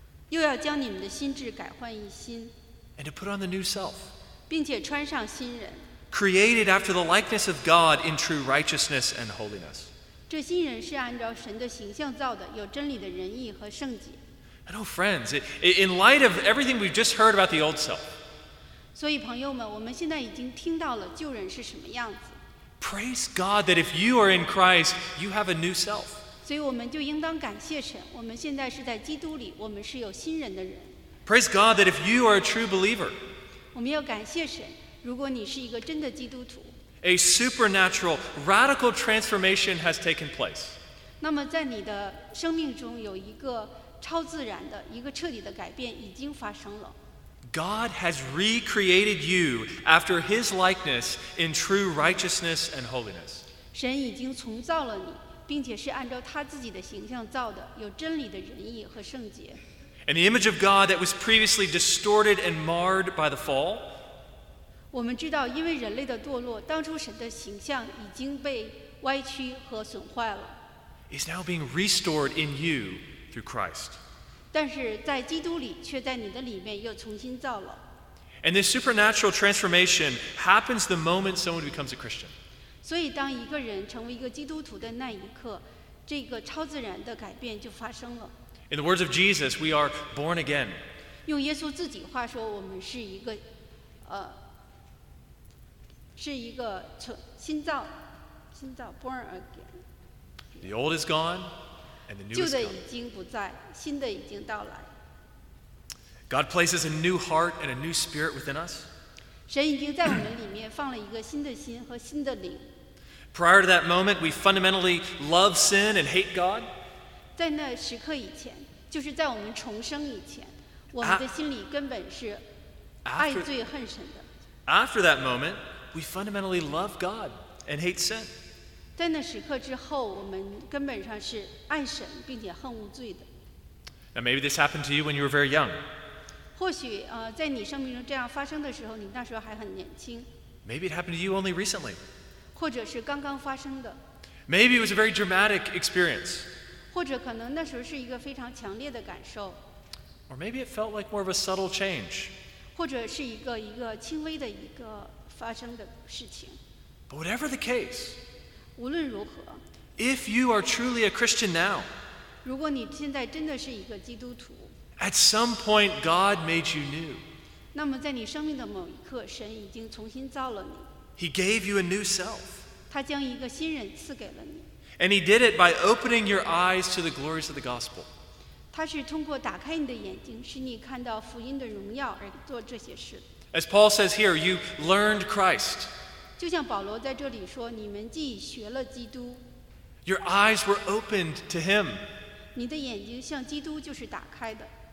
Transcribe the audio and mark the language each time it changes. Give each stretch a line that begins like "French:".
Chinese: 又要将你们的心智改换一新。
English: And to put on the new self.
Chinese: 并且穿上新人。
English: Created after the likeness of God in true righteousness and holiness.
Chinese: 这新人是按照神的形象造的，有真理的仁义和圣洁。
English: And oh friends, in light of everything we've just heard about the old self.
Chinese: 所以朋友们，我们现在已经听到了旧人是什么样子。
English: Praise God that if you are in Christ, you have a new self.
Chinese: 所以我们就应当感谢神，我们现在是在基督里，我们是有新人的人。
English: Praise God that if you are a true believer,
Chinese: 我们要感谢神，如果你是一个真的基督徒。
English: A supernatural, radical transformation has taken place.
Chinese: 那么在你的生命中有一个超自然的、一个彻底的改变已经发生了。
English: God has recreated you after His likeness in true righteousness and holiness.
Chinese: 神已经重造了你。并且是按照他自己的形象造的，有真理的仁义和圣洁。
English: And the image of God that was previously distorted and marred by the fall.
Chinese: 我们知道，因为人类的堕落，当初神的形象已经被歪曲和损坏了。
English: Is now being restored in you through Christ.
Chinese: 但是在基督里，却在你的里面又重新造了。
English: And this supernatural transformation happens the moment someone becomes a Christian.
Chinese: 所以当一个人成为一个基督徒的那一刻，这个超自然的改变就发生了。
English: In the words of Jesus, we are born again.
Chinese: 用耶稣自己话说，我们是一个，是一个新造
English: born again. The old is gone, and the new is gone.
Chinese: 旧的已经不在，新的已经到来。
English: God places a new heart and a new spirit within us.
Chinese: 神已经在我们里面放了一个新的心和新的灵。
English: Prior to that moment, we fundamentally love sin and hate God.
Chinese: 在那时刻以前，就是在我们重生以前，我们的心里根本是爱罪恨神的。
English: After that moment, we fundamentally love God and hate sin.
Chinese: 在那时刻之后，我们根本上是爱神并且恨恶罪的。
English: Now maybe this happened to you when you were very young.
Chinese: 或许在你生命中这样发生的时候，你那时候还很年轻。
English: Maybe it happened to you only recently.
Chinese: 或者是刚刚发生的。
English: Maybe it was a very dramatic experience.
Chinese: 或者可能那时候是一个非常强烈的感受。
English: Or maybe it felt like more of a subtle change.
Chinese: 或者是一个轻微的一个发生的事情。
English: But whatever the case,
Chinese: 无论如何，
English: if you are truly a Christian now,
Chinese: 如果你现在真的是一个基督徒，
English: at some point God made you new.
Chinese: 那么在你生命的某一刻，神已经重新造了你。
English: He gave you a new self.
Chinese: 他将一个新人赐给了你。
English: And he did it by opening your eyes to the glories of the gospel.
Chinese: 他是通过打开你的眼睛，使你看到福音的荣耀而做这些事。
English: As Paul says here, you learned Christ.
Chinese: 就像保罗在这里说，你们既学了基督。
English: Your eyes were opened to him.
Chinese: 你的眼睛像基督就是打开的。